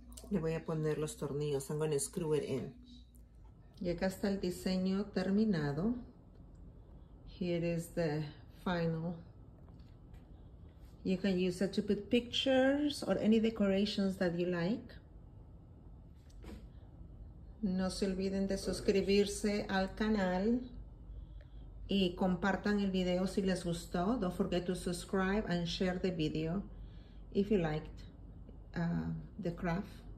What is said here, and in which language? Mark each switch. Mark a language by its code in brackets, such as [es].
[es] Le voy a poner los tornillos. [en] I'm going to screw it in. [es] Y acá está el diseño terminado. [en] Here is the final. You can use it to put pictures or any decorations that you like. [es] No se olviden de suscribirse al canal y compartan el video si les gustó. [en] Don't forget to subscribe and share the video if you liked the craft.